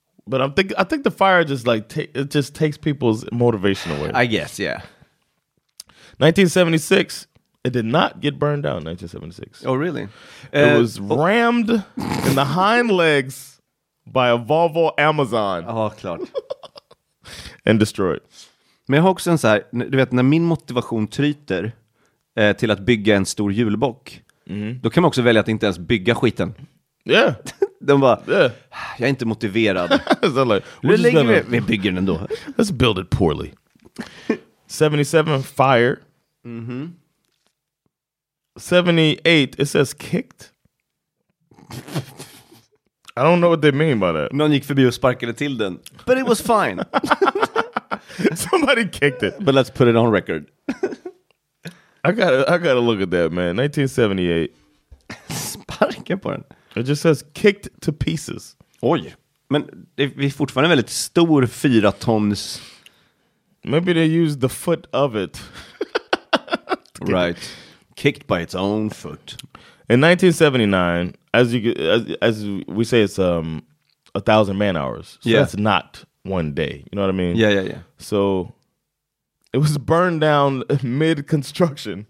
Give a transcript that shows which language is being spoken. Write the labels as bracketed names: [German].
[English] But I think the fire just like it just takes people's motivation away. I guess, yeah. 1976, it did not get burned down, 1976. Oh, really? It was rammed in the hind legs by a Volvo Amazon. [Swedish] Ja, klart. [English] And destroyed. [Swedish] Men jag har också en så här, du vet, när min motivation tryter till att bygga en stor julbock, då kan man också välja att inte ens bygga skiten. Ja. [English] Yeah. [Swedish] De bara, yeah. Jag är inte motiverad. [English] So like, we're just gonna... [Swedish] vi bygger den ändå. [English] Let's build it poorly. 77, fire. Mm-hmm. 78, it says kicked. I don't know what they mean by that. [Swedish] Någon gick förbi och sparkade till den. [English] But it was fine. Somebody kicked it. But let's put it on record. I gotta look at that, man. 1978. [Swedish] Sparka på den. [English] It just says kicked to pieces. [Swedish] Oj. Men det är fortfarande en väldigt stor 4 tons. [English] Maybe they used the foot of it. Right. Kicked by its own foot. In 1979, as we say, it's 1,000 man hours. So yeah. That's not one day. You know what I mean? Yeah, yeah, yeah. So it was burned down mid-construction.